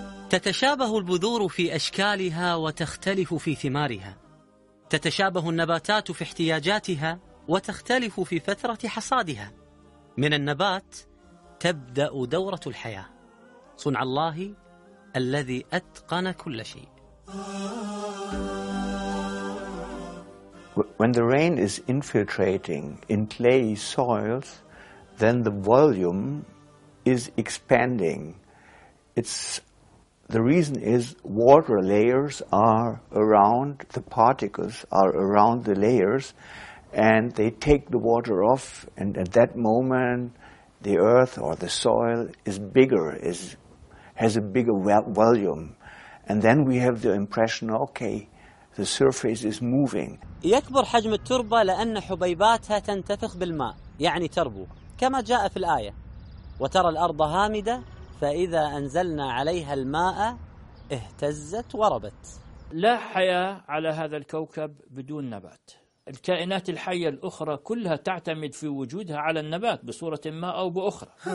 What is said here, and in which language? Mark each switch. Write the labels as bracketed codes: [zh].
[ar] تتشابه البذور في أشكالها وتختلف في ثمارها، تتشابه النباتات في احتياجاتها وتختلف في فترة حصادها. من النبات تبدأ دورة الحياة. صنع الله الذي أتقن كل شيء. [en] When the rain is infiltrating in clay soils, then the volume is expanding. The reason is water layers are around, the particles are around the layers, and they take the water off, and at that moment the earth or the soil is bigger, has a bigger volume, and then we have the impression, okay, the surface is moving. [ar] يكبر حجم التربة لأن حبيباتها تنتفخ بالماء، يعني تربو، كما جاء في الآية. وترى الأرض هامدة فإذا أنزلنا عليها الماء اهتزت وربت. لا حياة على هذا الكوكب بدون نبات. الكائنات الحية الأخرى كلها تعتمد في وجودها على النبات بصورة ما أو بأخرى.